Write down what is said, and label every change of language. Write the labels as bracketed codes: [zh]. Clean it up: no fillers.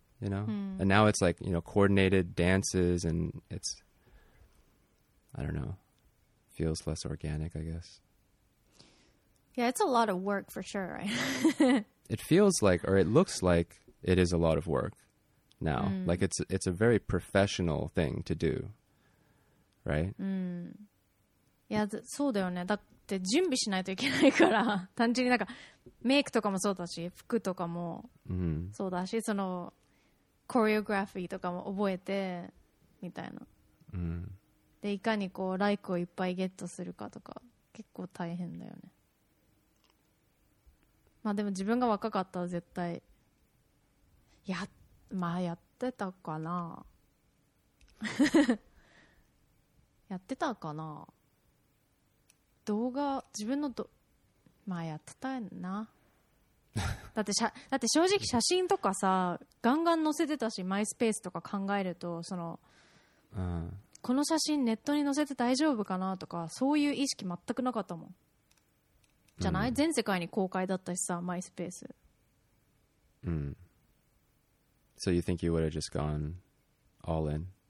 [en] You know, and now it's like, you know, coordinated dances and it's, I don't know, feels less organic, I guess. Yeah, it's a lot of work for sure, right? It feels like, or it looks like it is a lot of work now. Mm. Like it's a very professional thing to do, right? [ja] Mm. Yeah, そうだよね。だって準備しないといけないから、単純になんかメイクとかもそうだし、服とかもそうだし、その、コレオグラフィーとかも覚えてみたいな、でいかにこうライクをいっぱいゲットするかとか結構大変だよね。まあでも自分が若かったら絶対やってたかな。やってたかな。動画自分のまあやってたな。だって正直写真とかさガンガン載せてたし、マイスペースとか考えるとその、この写真ネットに載せて大丈夫かなとかそういう意識全くなかったもんじゃない、全世界に公開だったしさマイスペース。 [en] So you think you would have just gone all in?